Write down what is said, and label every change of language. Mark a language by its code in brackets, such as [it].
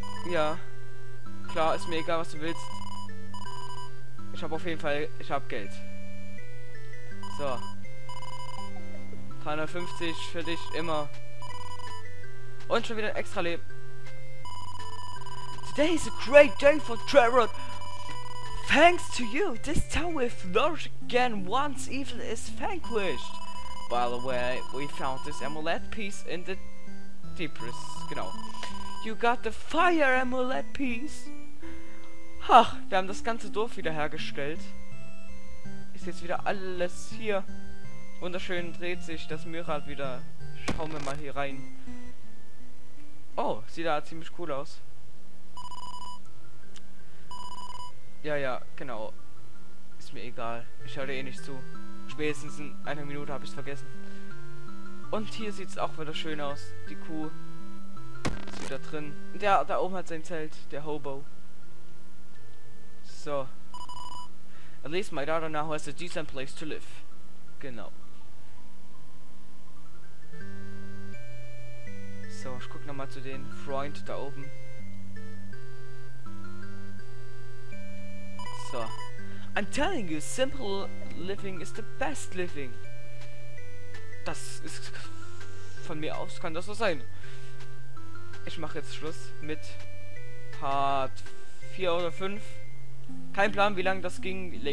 [de] Ja. Klar, ist mir egal, was du willst. Ich habe auf jeden Fall... Ich habe Geld. So. 350 für dich immer. Und schon wieder ein extra Leben. [en] Today is a great day for Trerod. Thanks to you, this town will flourish again once evil is vanquished. By the way, we found this amulet piece in the deepest, genau. You got the fire amulet piece. [de] Ha, wir haben das ganze Dorf wieder hergestellt. Ist jetzt wieder alles hier. Wunderschön dreht sich das Mühlrad wieder. Schauen wir mal hier rein. Oh, sieht da ziemlich cool aus. Ja, ja, genau. Ist mir egal. Ich höre eh nicht zu. Spätestens in einer Minute habe ich es vergessen. Und hier sieht es auch wieder schön aus. Die Kuh ist wieder drin. Und der da oben hat sein Zelt. Der Hobo. So. [en] At least my daughter now has a decent place to live. [de] Genau. So, ich gucke nochmal zu den Freund da oben. So. [en] I'm telling you, simple living is the best living. [de] Das ist von mir aus, kann das so sein. Ich mache jetzt Schluss mit Part 4 oder 5. Kein Plan, wie lange das ging.